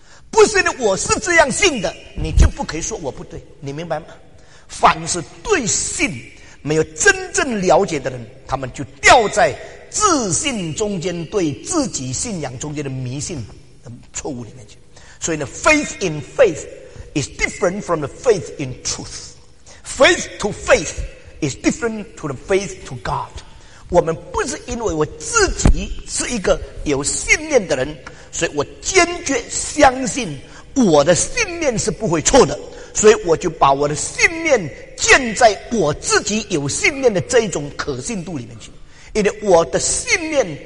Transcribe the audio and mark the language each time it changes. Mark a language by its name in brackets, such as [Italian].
[Chinese] 不是因为我是这样信的，你就不可以说我不对，你明白吗？凡是对信没有真正了解的人，他们就掉在自信中间对自己信仰中间的迷信的错误里面去。 [English] 所以呢 faith in faith is different from the faith in truth. Faith to faith is different to the faith to God. [Chinese] 我们不是因为我自己是一个有信念的人，所以我坚决相信我的信念是不会错的，所以我就把我的信念建在我自己有信念的这一种可信度里面去。因为我的信念